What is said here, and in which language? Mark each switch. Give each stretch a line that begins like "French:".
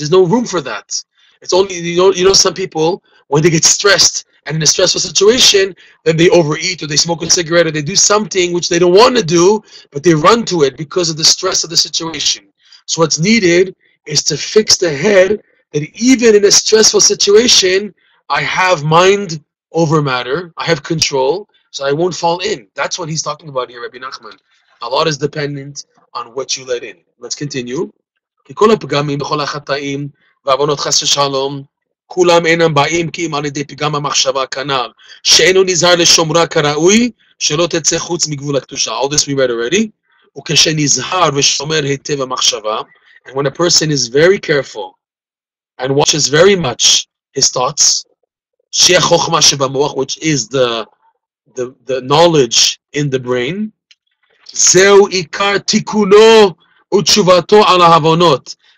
English: There's no room for that. It's only, you know, some people, when they get stressed and in a stressful situation, then they overeat or they smoke a cigarette or they do something which they don't want to do, but they run to it because of the stress of the situation. So what's needed is to fix the head, that even in a stressful situation, I have mind over matter, I have control, so I won't fall in. That's what he's talking about here, Rebbe Nachman. A lot is dependent on what you let in. Let's continue.
Hebrew: כל הפגמים בכל החטאים והבנות חס ושלום, כולם אינם באים כי אם על ידי פגם המחשבה כנר, שאינו נזהר לשומרה כראוי, שלא תצא חוץ מגבול הקדושה.
English: All this we read already.
Hebrew: וכשנזהר ושומר היטב המחשבה,
English: and when a person is very careful and watches very much his thoughts,
Hebrew: שיהיה חוכמה שבמוח,
English: which is the knowledge in the brain,
Hebrew: זהו עיקר תיקונו ותשובתו על ההבנות.